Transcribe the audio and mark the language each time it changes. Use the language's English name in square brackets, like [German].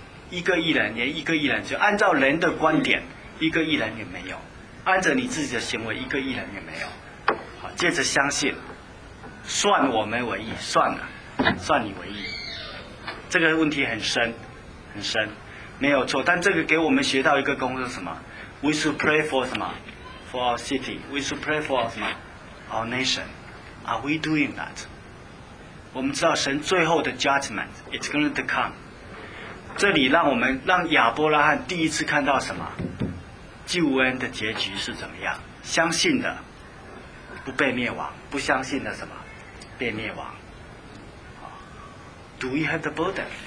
[Chinese] 一个义人，连一个义人，就按照人的观点，一个义人也没有；按着你自己的行为，一个义人也没有。好，借着相信，算我们为义，算了，算你为义。这个问题很深，很深。 [English] 没有错，但这个给我们学到一个功课，什么？We should pray for 什么 ？For our city. We should pray for 什么 ？Our nation. Are we doing that? [Chinese] 我们知道神最后的 judgment is going to come。这里让我们让亚伯拉罕第一次看到什么救恩的结局是怎么样，相信的不被灭亡，不相信的什么被灭亡。 [English] Do we have the burden？